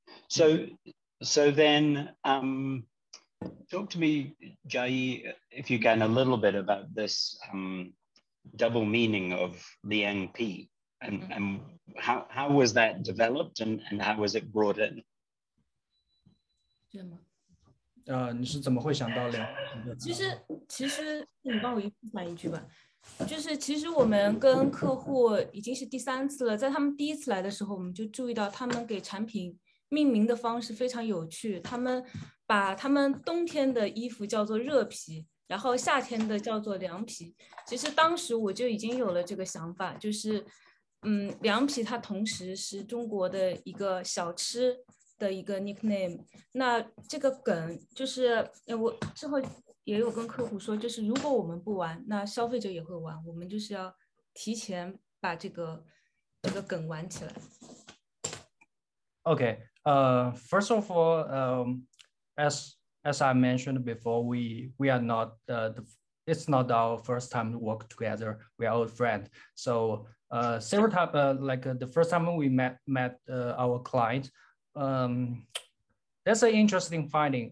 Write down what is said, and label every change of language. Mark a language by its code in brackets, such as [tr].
[en] So then talk to me, Jai, if you can, a little bit about this double meaning of Liang Pi and how was that developed and how was it brought in? Yeah. [zh] 你是怎么会想到的？其实你帮我一句话一句吧，就是其实我们跟客户已经是第三次了，在他们第一次来的时候，我们就注意到他们给产品命名的方式非常有趣，他们把他们冬天的衣服叫做热皮，然后夏天的叫做凉皮。其实当时我就已经有了这个想法，就是凉皮它同时是中国的一个小吃的一个 nickname。那这个梗就是我之后也有跟客户说，就是如果我们不玩，那消费者也会玩，我们就是要提前把这个梗玩起来。 [en] OK, first of all, as I mentioned before, we are not it's not our first time to work together, we are old friends. So several times, the first time we met our client, that's an interesting finding.